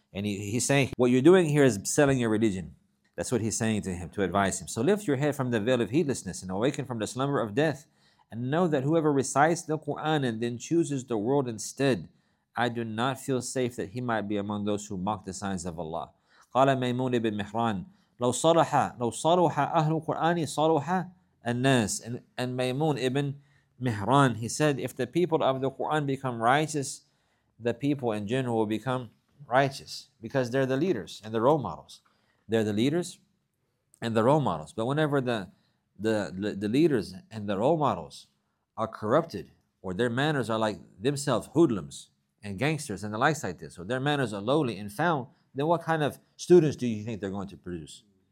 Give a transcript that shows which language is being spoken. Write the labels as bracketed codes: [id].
[en] And he's saying, what you're doing here is selling your religion. That's what he's saying to him, to advise him. So lift your head from the veil of heedlessness and awaken from the slumber of death And know that whoever recites the Quran and then chooses the world instead, I do not feel safe that he might be among those who mock the signs of Allah. [ar] قال ميمون بن مهران لو صرح أهل القرآن صرح الناس. [en] And ميمون بن مهران, he said, if the people of the Quran become righteous, the people in general will become righteous, because they're the leaders and the role models. They're the leaders and the role models. But whenever the leaders and the role models are corrupted, or their manners are like themselves, hoodlums and gangsters and the likes like this, or their manners are lowly and foul, then what kind of students do you think they're going to produce?